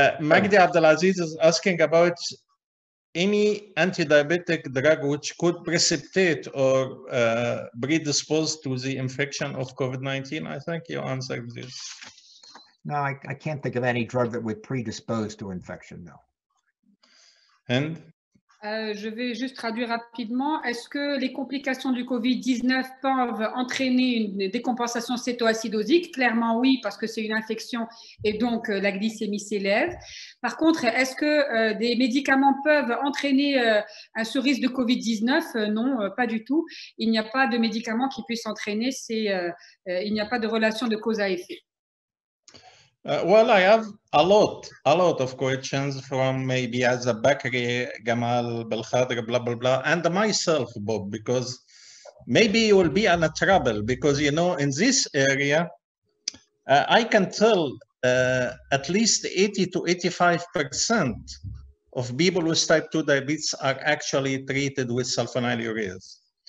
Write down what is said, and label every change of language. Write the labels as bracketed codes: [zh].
[en] Magdi Abdelaziz is asking about any anti-diabetic drug which could precipitate or predispose to the infection of COVID-19? I think you answered this. No, I can't think of any drug that would predispose to infection, though. And? [fr] Je vais juste traduire rapidement. Est-ce que les complications du COVID-19 peuvent entraîner une décompensation cétoacidosique? Clairement oui, parce que c'est une infection et donc la glycémie s'élève. Par contre, est-ce que des médicaments peuvent entraîner un sous-risque de COVID-19? Non, pas du tout. Il n'y a pas de médicaments qui puissent entraîner, il n'y a pas de relation de cause à effet. [en] Well, I have a lot of questions from maybe Azza Bakri, Gamal Belkhadr, blah, blah, blah, and myself, Bob, because maybe you will be in a trouble because, you know, in this area, I can tell at least 80 to 85% of people with type 2 diabetes are actually treated with sulfonylureas.